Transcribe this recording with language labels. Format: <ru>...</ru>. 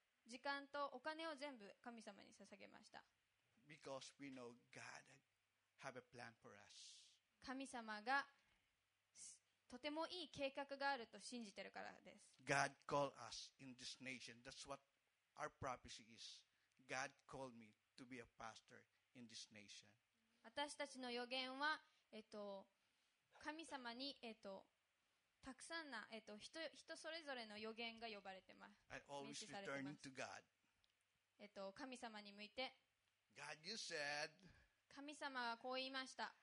<ja>時間とお金を全部神様に捧げました。</ja> <en>Because we know God has a plan for us.</en> <ja>神様がとてもいい計画があると信じてるからです。</ja> <en>God called us in this nation. That's what our prophecy is. God called me to be a pastor in this nation.</en> <ja>私たちの予言は、神様に、たくさんな、人それぞれの予言が呼ばれてます。</ja> <en>I always return to God.</en> <ja>神様に向いて。</ja> <en>God, you said.</en> <ja>神様はこう言いました。</ja>